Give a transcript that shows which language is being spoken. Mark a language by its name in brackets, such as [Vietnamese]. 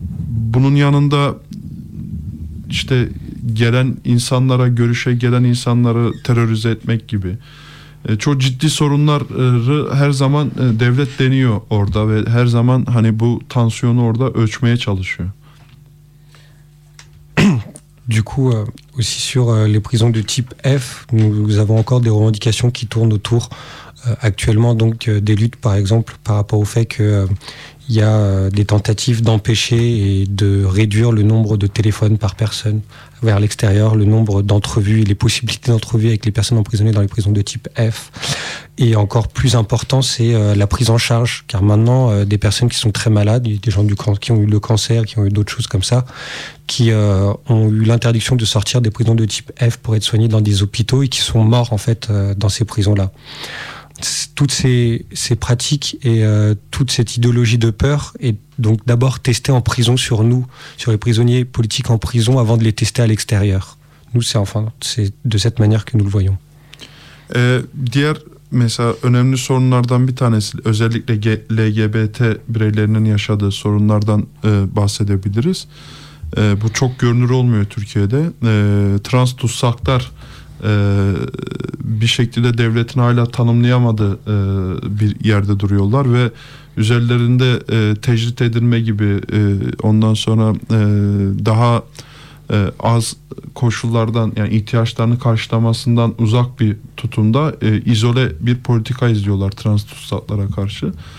[Turkish] Bunun yanında İşte gelen insanlara, görüşe gelen insanları terörize etmek gibi çok ciddi sorunları her zaman devlet deniyor orada ve her zaman hani bu tansiyonu orada ölçmeye çalışıyor. [French] Du coup aussi sur les prisons du type F, nous avons encore des revendications qui tournent autour actuellement, donc des luttes par exemple par rapport au fait que il y a des tentatives d'empêcher et de réduire le nombre de téléphones par personne vers l'extérieur, le nombre d'entrevues et les possibilités d'entrevues avec les personnes emprisonnées dans les prisons de type F. Et encore plus important, c'est la prise en charge, car maintenant, des personnes qui sont très malades, des gens qui ont eu le cancer, qui ont eu d'autres choses comme ça, qui ont eu l'interdiction de sortir des prisons de type F pour être soignés dans des hôpitaux et qui sont morts, en fait, dans ces prisons-là. Toutes ces pratiques et toute cette idéologie de peur est donc d'abord testée en prison sur nous, sur les prisonniers politiques en prison, avant de les tester à l'extérieur. Nous, c'est de cette manière que nous le voyons. [Turkish] Diğer mesela önemli sorunlardan bir tanesi, özellikle LGBT bireylerinin yaşadığı sorunlardan bahsedebiliriz. Bu çok görünür olmuyor Türkiye'de. Trans tutsaklar bir şekilde devletin hala tanımlayamadığı bir yerde duruyorlar ve üzerlerinde tecrit edilme gibi, ondan sonra daha az koşullardan, yani ihtiyaçlarını karşılamasından uzak bir tutumda izole bir politika izliyorlar trans tutsaklara karşı.